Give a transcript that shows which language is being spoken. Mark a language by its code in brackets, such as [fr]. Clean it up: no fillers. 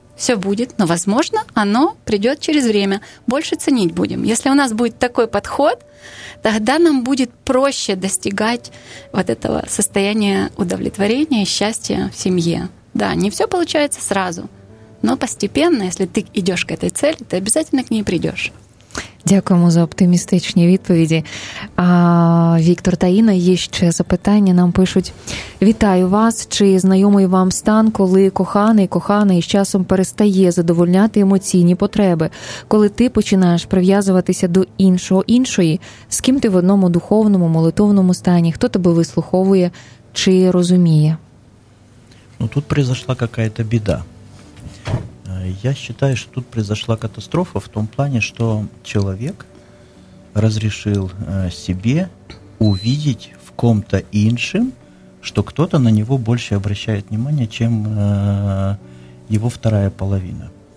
[ru] Все будет, но, возможно, оно придет через время. Больше ценить будем. Если у нас будет такой подход, тогда нам будет проще достигать вот этого состояния удовлетворения и счастья в семье. Да, не все получается сразу, но постепенно, если ты идешь к этой цели, ты обязательно к ней придешь. [uk] Дякуємо за оптимістичні відповіді. Віктор та Інна, є ще запитання, нам пишуть. Вітаю вас, чи знайомий вам стан, коли коханий з часом перестає задовольняти емоційні потреби? Коли ти починаєш прив'язуватися до іншого, з ким ти в одному духовному, молитовному стані? Хто тебе вислуховує чи розуміє? Тут прийшла якась біда. [ru] Я считаю, что тут произошла катастрофа в том плане, что человек разрешил себе увидеть в ком-то иншем, что кто-то на него больше обращает внимание, чем его вторая половина.